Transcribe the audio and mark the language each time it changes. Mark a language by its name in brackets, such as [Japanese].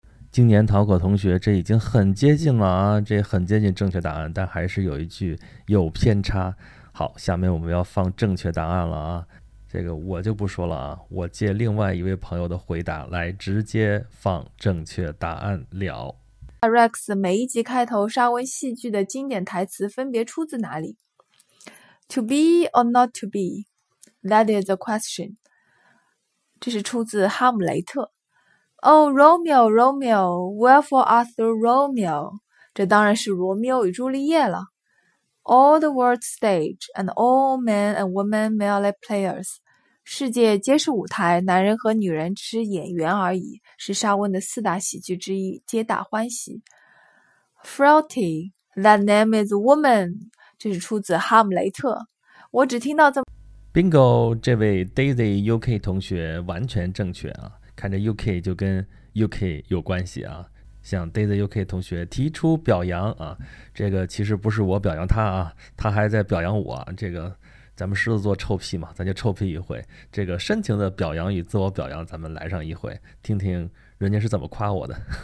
[Chinese] 今年陶可同学这已经很接近了啊，这很接近正确答案，但还是有一句有偏差。好，下面我们要放正确答案了啊，这个我就不说了啊，我借另外一位朋友的回答来直接放正确答案了。 Rex 每一集开头沙威戏剧的经典台词分别出自哪里？ [English] To be or not to be, that is the question. [Chinese] 这是出自哈姆雷特。 [English] Oh, Romeo, Romeo, wherefore art thou Romeo? [Chinese] 这当然是罗密欧与朱丽叶了。 [English] All the world's stage, and all men and women merely players. [Chinese] 世界皆是舞台，男人和女人只是演员而已，是莎翁的四大喜剧之一，皆大欢喜。 [English] Frailty, that name is woman. [Chinese] 这是出自哈姆雷特。我只听到这么。 Bingo, 这位 Daisy UK 同学完全正确啊。看着 UK 就跟 UK 有关系啊，向 Daisy UK 同学提出表扬啊，这个其实不是我表扬他啊，他还在表扬我，这个咱们狮子座臭屁嘛，咱就臭屁一回，这个深情的表扬与自我表扬咱们来上一回，听听人家是怎么夸我的。